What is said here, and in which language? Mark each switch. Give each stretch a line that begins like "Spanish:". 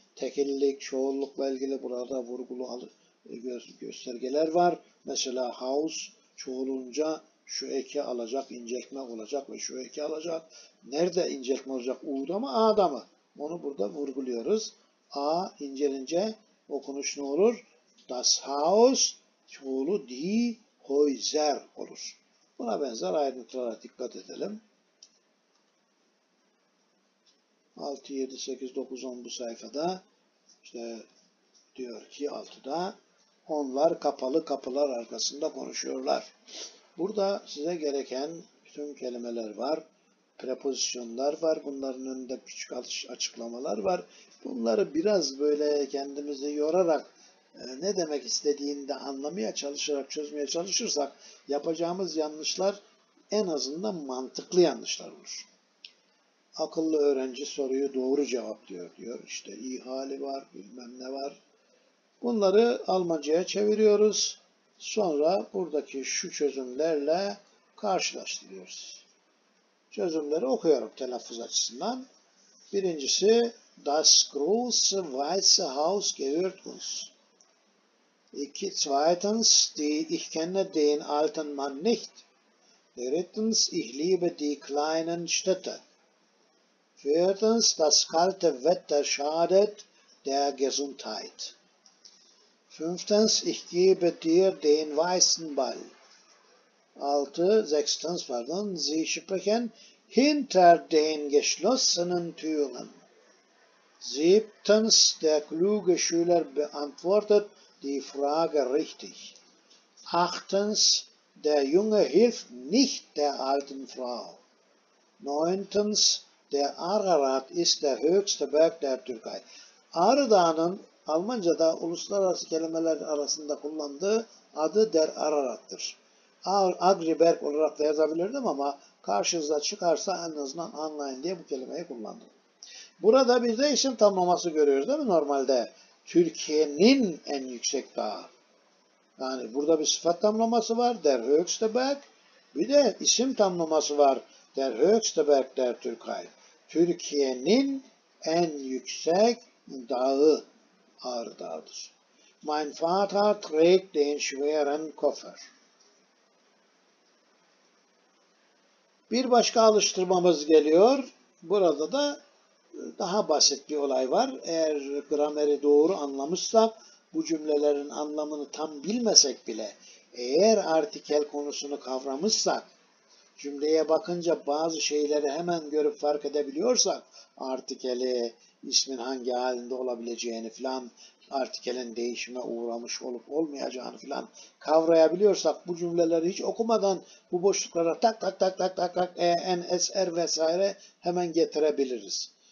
Turkish: Tekillik, çoğullukla ilgili burada vurgulu göstergeler var. Mesela house çoğulunca şu eki alacak, incekme olacak ve şu eki alacak. Nerede incekme olacak? U'da mı, A'da mı? Onu burada vurguluyoruz. A incelince okunuş ne olur?
German: das Haus
Turkish: tuğlu
German: die Häuser
Turkish: olur. Buna benzer ayrıntılara dikkat edelim. 6, 7, 8, 9, 10 bu sayfada işte diyor ki 6'da onlar kapalı kapılar arkasında konuşuyorlar. Burada size gereken bütün kelimeler var. Prepozisyonlar var. Bunların önünde küçük açıklamalar var. Bunları biraz böyle kendimizi yorarak ne demek istediğini de anlamaya çalışarak çözmeye çalışırsak yapacağımız yanlışlar en azından mantıklı yanlışlar olur. Akıllı öğrenci soruyu doğru cevaplıyor diyor. İşte iyi hali var, bilmem ne var. Bunları Almanca'ya çeviriyoruz. Sonra buradaki şu çözümlerle karşılaştırıyoruz. Çözümleri okuyorum telaffuz açısından. Birincisi,
German: das große weiße Haus gehört uns.
Turkish: İki,
German: zweitens, ich kenne den alten Mann nicht. Drittens, ich liebe die kleinen Städte. Viertens, das kalte Wetter schadet der Gesundheit. Fünftens, ich gebe dir den weißen Ball. Sechstens, sie sprechen hinter den geschlossenen Türen. Siebtens, der kluge Schüler beantwortet die Frage richtig. Achtens, der Junge hilft nicht der alten Frau. Neuntens, der Ararat ist der höchste Berg der Türkei.
Turkish: Ararat'ın Almanca'da uluslararası kelimeler arasında kullandığı adı der Ararat'tır. Agriberg olarak da yazabilirdim ama karşınıza çıkarsa en azından anlayın diye bu kelimeyi kullandım. Burada bir de isim tamlaması görüyoruz değil mi normalde? Türkiye'nin en yüksek dağı. Yani burada bir sıfat tamlaması var
German: der höchste Berg.
Turkish: Bir de isim tamlaması var
German: der höchste Berg der Türkei.
Turkish: Türkiye'nin en yüksek dağı Ağrı Dağı'dır.
German: Mein Vater trägt den schweren Koffer.
Turkish: Bir başka alıştırmamız geliyor. Burada da daha basit bir olay var. Eğer grameri doğru anlamışsak, bu cümlelerin anlamını tam bilmesek bile, eğer artikel konusunu kavramışsak, cümleye bakınca bazı şeyleri hemen görüp fark edebiliyorsak, artikeli, ismin hangi halinde olabileceğini filan, artikelin değişime uğramış olup olmayacağını filan kavrayabiliyorsak, bu cümleleri hiç okumadan bu boşluklara tak tak tak tak tak tak en, es, er vesaire hemen getirebiliriz.